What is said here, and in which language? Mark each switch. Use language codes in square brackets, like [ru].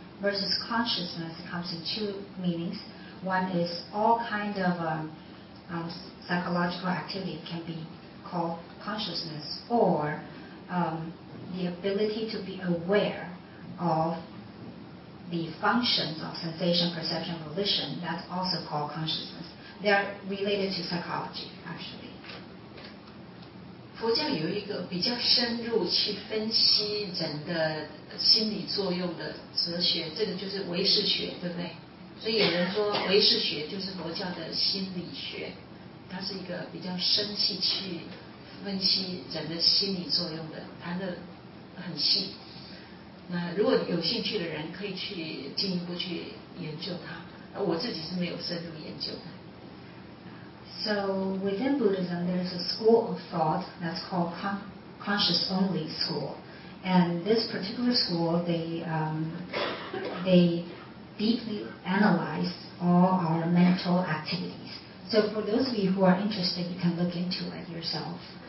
[en] Versus consciousness comes in two meanings. One is all kind of psychological activity can be called consciousness, or the ability to be aware of the functions of sensation, perception, volition, that's also called consciousness. They are related to psychology, actually. [zh] 佛教有一个比较深入去分析人的心理作用的哲学，这个就是唯识学，对不对？所以有人说唯识学就是佛教的心理学，它是一个比较深细去分析人的心理作用的，谈得很细。那如果有兴趣的人可以去进一步去研究它，我自己是没有深入研究的。 [en] So within Buddhism, there is a school of thought that's called conscious-only school. And this particular school, they deeply analyze all our mental activities. So for those of you who are interested, you can look into it yourself.